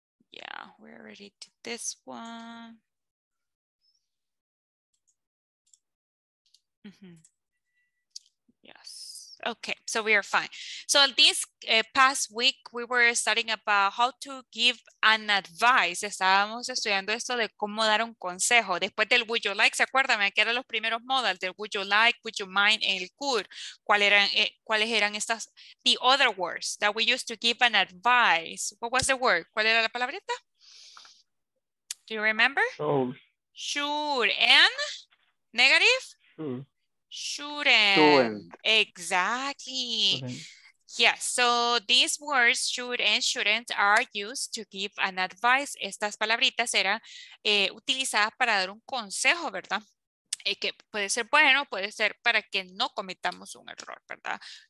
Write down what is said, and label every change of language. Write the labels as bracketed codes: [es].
[en] Yeah, we already did this one. Yes. Okay, so we are fine. So this past week, we were studying about how to give an advice. [es] Estábamos estudiando esto de cómo dar un consejo. Después del would you like, ¿se acuerdan? ¿Qué eran los primeros modales? Del would you like, would you mind, el could. ¿Cuáles eran estas? [en] The other words that we used to give an advice. What was the word? [es] ¿Cuál era la palabrita? [en] Do you remember? Should. And? Negative? Shouldn't. Exactly. Okay. Yes. Yeah, so these words should and shouldn't are used to give an advice. [es] Estas palabritas eran utilizadas para dar un consejo, ¿verdad? Que puede ser bueno, puede ser para que no cometamos un error, ¿verdad?